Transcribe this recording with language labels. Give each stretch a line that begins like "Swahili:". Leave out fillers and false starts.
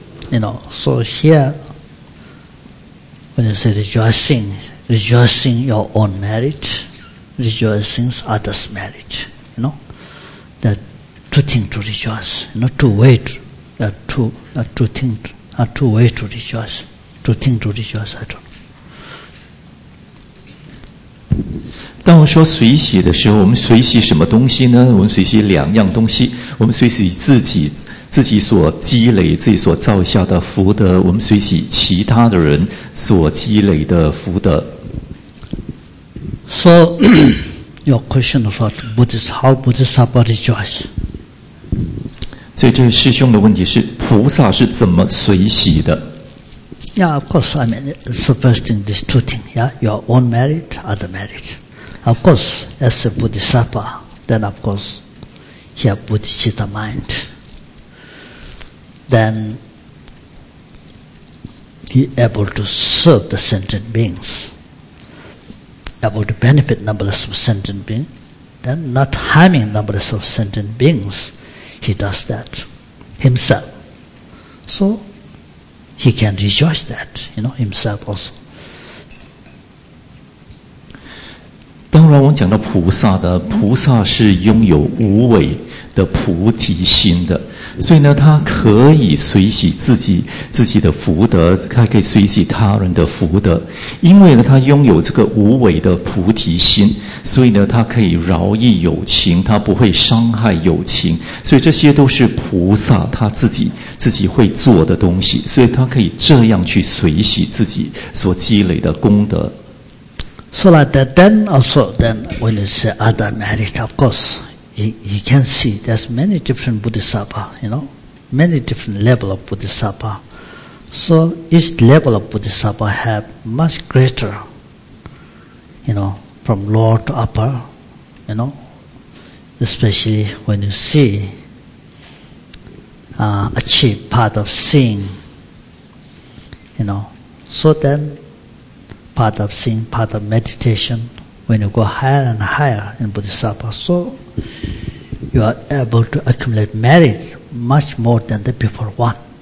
English: You know, so here, when you say rejoicing your own merit, rejoicing others' merit, you know, there are two things to rejoice, you know, two ways to rejoice, I don't know.
Chinese: 当我说随喜的时候，我们随喜什么东西呢？我们随喜两样东西，我们随喜自己所积累、自己所造下的福德，我们随喜其他的人所积累的福德。
English: So, your question is what Buddhist, how Buddhist rejoice?
Chinese: 所以这位师兄的问题是：菩萨是怎么随喜的？
English: Yeah, of course. I mean, so first thing, these two things. Yeah, your own merit, other merit. Of course, as a bodhisattva, then of course, he has bodhicitta mind. Then he able to serve the sentient beings, able to benefit numberless of sentient beings, then not harming numberless of sentient beings, he does that himself. So. He can rejoice that, you know, himself also.
Chinese: 当然我们讲到菩萨的菩萨是拥有无为的菩提心的，所以呢他可以随喜自己的福德，他可以随喜他人的福德，因为呢他拥有这个无为的菩提心，所以呢他可以饶益有情，他不会伤害有情，所以这些都是菩萨他自己会做的东西，所以他可以这样去随喜自己所积累的功德。
English: So like then also, then when you say Adha Maharishta, of course, you can see there's many different Bodhisattva, you know, many different level of Bodhisattva. So each level of Bodhisattva have much greater, you know, from lower to upper, you know, especially when you see, achieve part of seeing, you know, so then,part of seeing, part of meditation, when you go higher and higher in Bodhisattva, so you are able to accumulate merit much more than the before one.